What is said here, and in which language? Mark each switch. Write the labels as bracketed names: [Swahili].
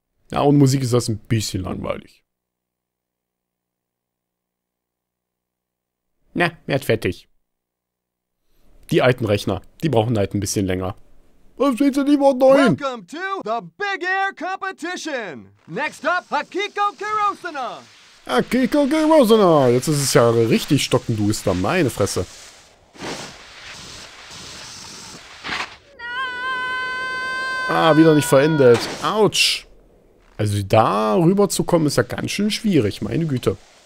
[German] Ja, und Musik ist das ein bisschen langweilig. Na, werd fertig. Die alten Rechner, die brauchen halt ein bisschen länger. Was sind denn die Worte neu? [English] Welcome to the Big Air Competition. Next up, Akiko Kirosana. [German] Akiko Kirosana, jetzt ist es ja richtig stockenduster, meine Fresse. Ah, wieder nicht verendet. Autsch. Also da rüber zu kommen ist ja ganz schön schwierig, meine Güte.